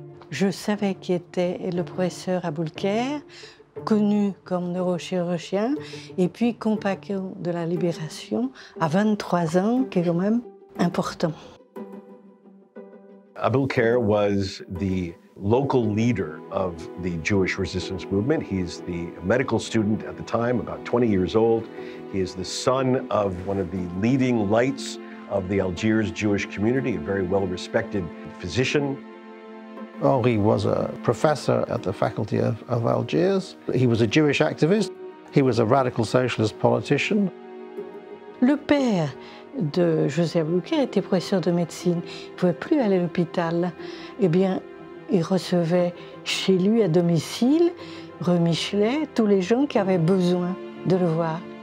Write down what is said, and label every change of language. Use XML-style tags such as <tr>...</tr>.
<fr>Je savais qui était le professeur Aboulker, connu comme neurochirurgien, et puis compagnon de la Libération à 23 ans, qui est quand même important.</fr> <en>Aboulker was the local leader of the Jewish resistance movement. He's the medical student at the time, about 20 years old. He is the son of one of the leading lights of the Algiers Jewish community, a very well-respected physician. Henri was a professor at the faculty of Algiers. He was a Jewish activist. He was a radical socialist politician.</en> <fr>Le père de José Aboulker était professeur de médecine. Il ne pouvait plus aller à l'hôpital. Eh bien, il recevait chez lui à domicile, rue Michelet, tous les gens qui avaient besoin de le voir.</fr>